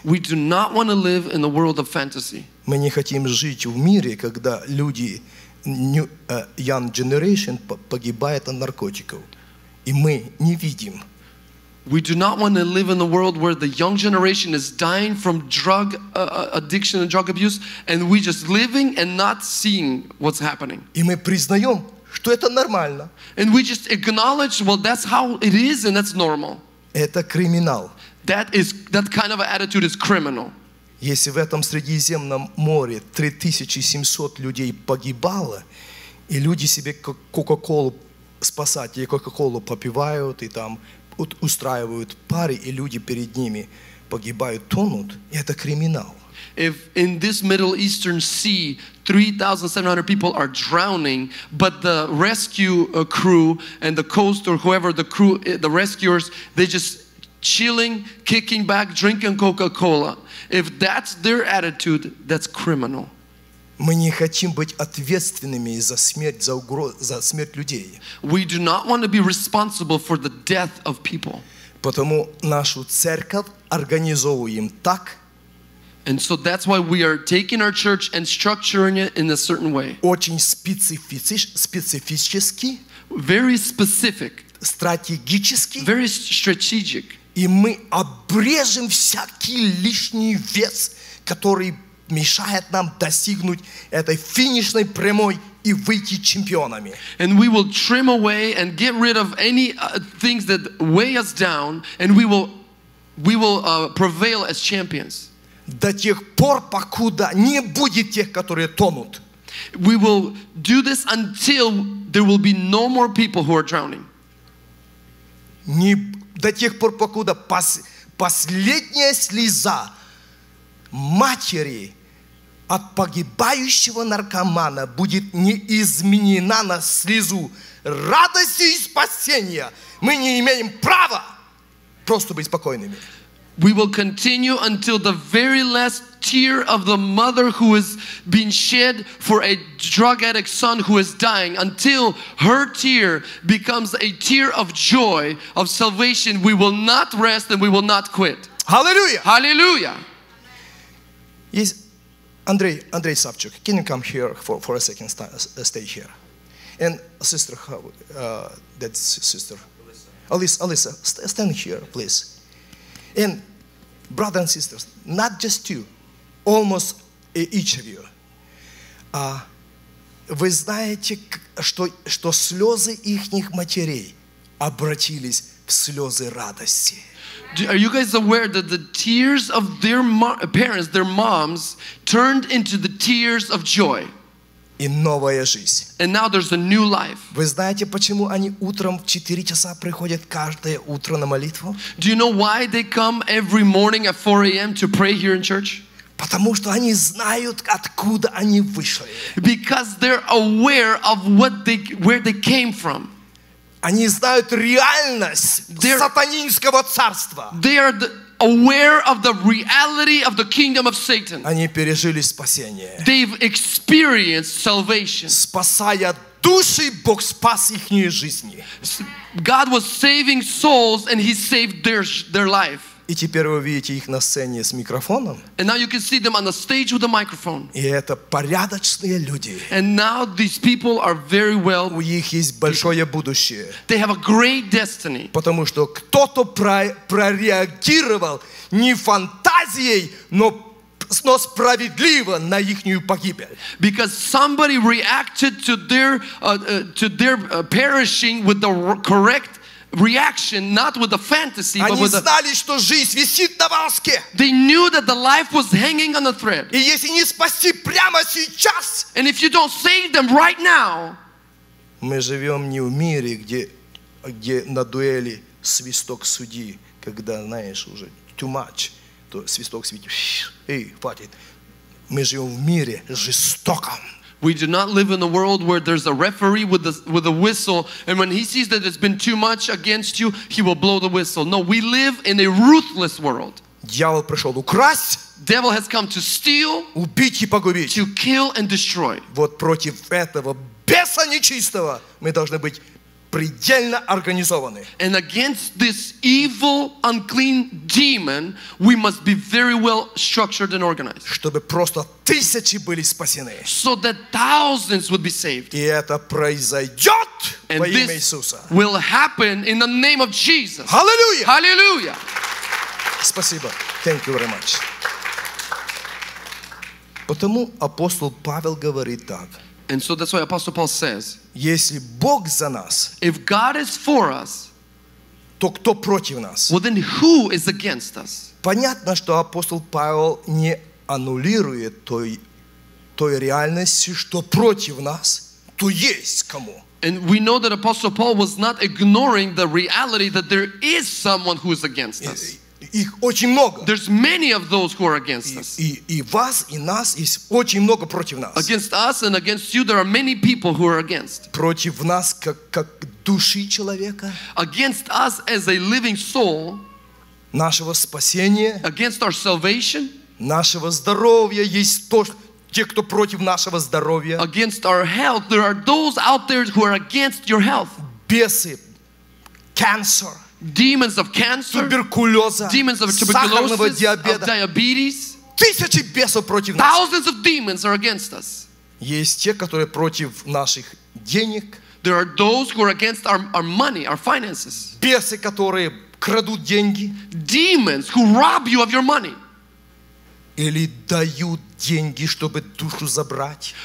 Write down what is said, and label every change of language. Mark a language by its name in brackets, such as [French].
[English] We do not want to live in the world of fantasy. [Russian] Мы не хотим жить в мире, когда люди [English] young generation [Russian] погибают от наркотиков, и мы не видим. [English] We do not want to live in the world where the young generation is dying from drug addiction and drug abuse, and we just living and not seeing what's happening. [Russian] И мы признаем, что это нормально. [English] And we just acknowledge, well, that's how it is, and that's normal. [Russian] Это криминал. [English] That kind of attitude is criminal. [Russian] Если в этом Средиземном море 3700 людей погибало, и люди себе Кока-Колу спасают, и Кока-Колу попивают, и там устраивают пары, и люди перед ними погибают, тонут, это криминал. [English] If in this Middle Eastern Sea 3,700 people are drowning, but the rescue crew and the coast or whoever the crew, the rescuers, they're just chilling, kicking back, drinking Coca-Cola. If that's their attitude, that's criminal. [Russian] Мы не хотим быть ответственными за смерть, за смерть людей. [English] We do not want to be responsible for the death of people. [Russian] Потому нашу церковь организовываем так. [English] And so that's why we are taking our church and structuring it in a certain way. [Russian] Очень специфически. [English] Very specific. [Russian] Стратегически. [English] Very strategic. [Russian] И мы обрежем всякий лишний вес, который мешает нам достигнуть этой финишной прямой и выйти чемпионами. [English] And we will trim away and get rid of any things that weigh us down, and we will prevail as champions. [Russian] До тех пор, покуда не будет тех, которые тонут. [English] We will do this until there will be no more people who are drowning. [Russian] Не до тех пор, покуда последняя слеза матери от погибающего наркомана будет не изменена на слезу радости и спасения, мы не имеем права просто быть спокойными. [English] We will continue until the very last tear of the mother who has been shed for a drug addict son who is dying. Until her tear becomes a tear of joy, of salvation, we will not rest and we will not quit. Hallelujah! Hallelujah! Is Andrei Savchuk, can you come here for a second, stay here? And sister, that's sister. Alyssa, stand here, please. And brothers and sisters, not just you, almost each of you. [Russian] Вы знаете, что слезы ихних матерей обратились в слезы радости. [English] Are you guys aware that the tears of their parents, their moms, turned into the tears of joy? [Russian] И новая жизнь. [English] And now there's a new life. [Russian] Вы знаете, почему они утром в 4 часа приходят каждое утро на молитву? [English] Do you know why they come every morning at 4 a.m. to pray here in church? [Russian] Потому что они знают, откуда они вышли. [English] Because they're aware of where they came from. [Russian] Они знают реальность сатанинского царства. [English] Aware of the reality of the kingdom of Satan. [Russian] Они пережили спасение. [English] They've experienced salvation. [Russian] Спасая души, Бог спас ихние жизни. [English] God was saving souls and he saved their life. [Russian] И теперь вы видите их на сцене с микрофоном. [English] And now you can see them on the stage with a microphone. [Russian] И это порядочные люди. [English] And now these people are very well. [Russian] У них есть большое будущее. [English] They have a great destiny. [Russian] Потому что кто-то прореагировал не фантазией, но справедливо на ихнюю погибель. [English] Because somebody reacted to their perishing with the correct reaction, not with a fantasy, [Russian] они [English] but with [Russian] знали, что жизнь висит на волоске. [English] They knew that the life was hanging on a thread. [Russian] И если не спасти прямо сейчас, [English] and if you don't save them right now, [Russian] мы живем не в мире, где на дуэли свисток судьи, когда, знаешь, уже [English] too much, [Russian] то свисток судьи, эй, хватит. Мы живем в мире жестоком. [English] We do not live in a world where there's a referee with a whistle, and when he sees that it's been too much against you, he will blow the whistle. No, we live in a ruthless world. [Russian] Дьявол пришел украсть. [English] Devil has come to steal. [Russian] Убить и погубить. [English] To kill and destroy. [Russian] Вот против этого беса нечистого мы должны быть предельно организованы. [English] And against this evil, unclean demon, we must be very well structured and organized. [Russian] Чтобы просто тысячи были спасены. [English] So that thousands would be saved. [Russian] И это произойдет во имя Иисуса. [English] And this will happen in the name of Jesus. Hallelujah! Hallelujah! [Russian] Спасибо. [English] Thank you very much. [Russian] Потому апостол Павел говорит так. [English] And so that's why Apostle Paul says, [Russian] если Бог за нас, [English] if God is for us, [Russian] то кто против нас? [English] Well then who is against us? [Russian] Понятно, что апостол Павел не аннулирует той реальности, что против нас, то есть кому. [English] And we know that Apostle Paul was not ignoring the reality that there is someone who is against us. [Russian] Их очень много. [English] There's many of those who are against us. [Russian] И вас, и нас есть очень много против нас. [English] Against us and against you, there are many people who are against. [Russian] Против нас, как души человека. [English] Against us as a living soul. [Russian] Нашего спасения. [English] Against our salvation. [Russian] Нашего здоровья есть те, кто против нашего здоровья. [English] Against our health, there are those out there who are against your health. [Russian] Бесы, cancer, [English] demons of cancer, [Russian] туберкулеза, [English] demons of tuberculosis, [Russian] сахарного диабета, [English] of diabetes. [Russian] Тысячи бесов против нас. [English] Thousands of demons are against us. [Russian] Есть те, которые против наших денег. [English] There are those who are against our money, our finances. [Russian] Бесы, которые крадут деньги. [English] Demons who rob you of your money. [Russian] Или дают деньги, чтобы душу забрать.